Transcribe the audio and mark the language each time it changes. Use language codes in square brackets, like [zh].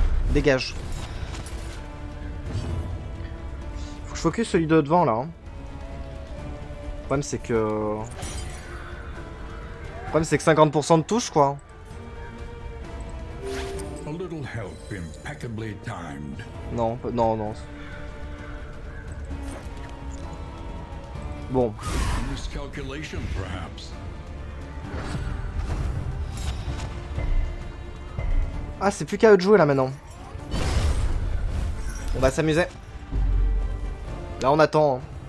[fr] Dégage. Faut que je focus celui de devant là. Hein. Le problème c'est que 50% de touche quoi. [en] A little help, impeccably timed. Non. Bon. Miscalculation, perhaps. [fr] Ah, c'est plus qu'à eux de jouer là maintenant. On va s'amuser. Là, on attend. Hein.